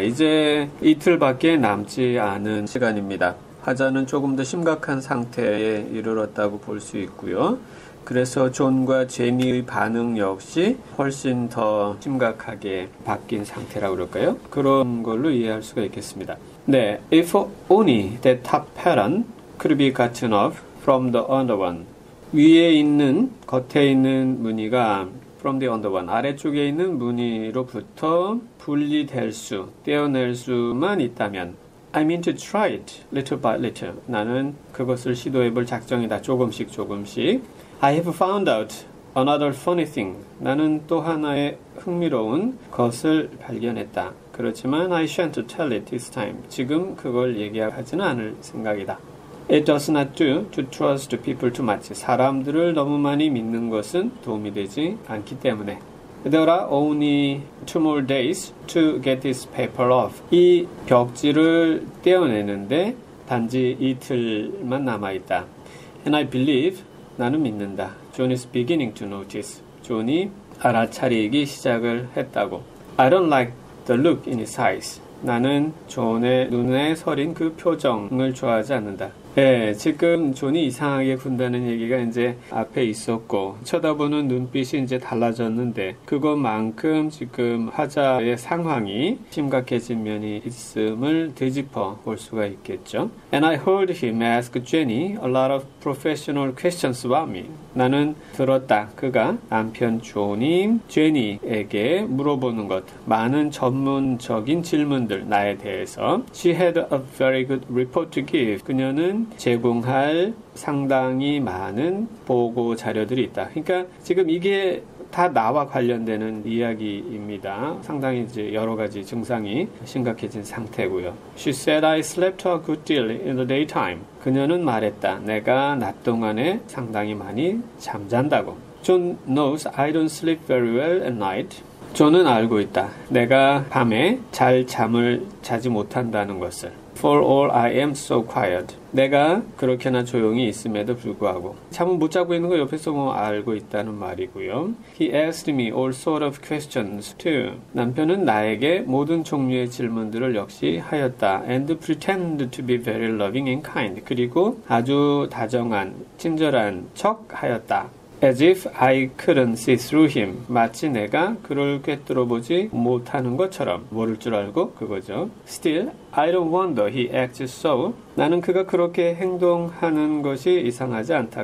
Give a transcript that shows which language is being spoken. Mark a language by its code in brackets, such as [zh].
[ko] 이제 이틀밖에 남지 않은 시간입니다. 화자는 조금 더 심각한 상태에 이르렀다고 볼수 있고요. 그래서 존과 제니의 반응 역시 훨씬 더 심각하게 바뀐 상태라고 그럴까요? 그런 걸로 이해할 수가 있겠습니다. [en] 네, if only the top parent could be gotten off from the under one. [ko] 겉에 있는 무늬가 [en] from the under one, [ko] 아래쪽에 있는 무늬로부터 분리될 수, 떼어낼 수만 있다면, [en] I mean to try it little by little. [ko] 나는 그것을 시도해볼 작정이다. 조금씩 조금씩. [en] I have found out another funny thing. [ko] 나는 또 하나의 흥미로운 것을 발견했다. 그렇지만 [en] I shan't tell it this time. [ko] 지금 그걸 얘기하지는 않을 생각이다. [en] It does not do to trust people too much. [ko] 사람들을 너무 많이 믿는 것은 도움이 되지 않기 때문에. [en] There are only two more days to get this paper off. [ko] 이 벽지를 떼어내는데 단지 이틀만 남아있다. [en] And I believe, [ko] 나는 믿는다. [en] John is beginning to notice. [ko] 존이 알아차리기 시작을 했다고. [en] I don't like the look in his eyes. [ko] 나는 존의 눈에 서린 그 표정을 좋아하지 않는다. 예, 지금 존이 이상하게 군다는 얘기가 이제 앞에 있었고, 쳐다보는 눈빛이 이제 달라졌는데, 그것만큼 지금 화자의 상황이 심각해진 면이 있음을 되짚어 볼 수가 있겠죠. [en] And I heard him ask Jenny a lot of professional questions about me. [ko] 나는 들었다. 그가 남편 존이 제니에게 물어보는 것. 많은 전문적인 질문들, 나에 대해서. [en] She had a very good report to give. [ko] 그녀는 제공할 상당히 많은 보고 자료들이 있다. 그러니까 지금 이게 다 나와 관련되는 이야기입니다. 상당히 이제 여러 가지 증상이 심각해진 상태고요. [en] She said I slept a good deal in the daytime. [ko] 그녀는 말했다. 내가 낮 동안에 상당히 많이 잠잔다고. [en] John knows I don't sleep very well at night. [ko] 존은 알고 있다. 내가 밤에 잘 잠을 자지 못한다는 것을. [en] For all I am so quiet. [ko] 내가 그렇게나 조용히 있음에도 불구하고. 잠은 못 자고 있는 거 옆에서 뭐 알고 있다는 말이고요. [en] He asked me all sort of questions too. [ko] 남편은 나에게 모든 종류의 질문들을 역시 하였다. [en] And pretend to be very loving and kind. [ko] 그리고 아주 다정한, 친절한 척 하였다. [en] As if I couldn't see through him. [ko] 마치 내가 그를 꿰뚫어 보지 못하는 것처럼. 모를 줄 알고 그거죠. [en] Still, I don't wonder he acts so. [ko] 나는 그가 그렇게 행동하는 것이 이상하지 않다.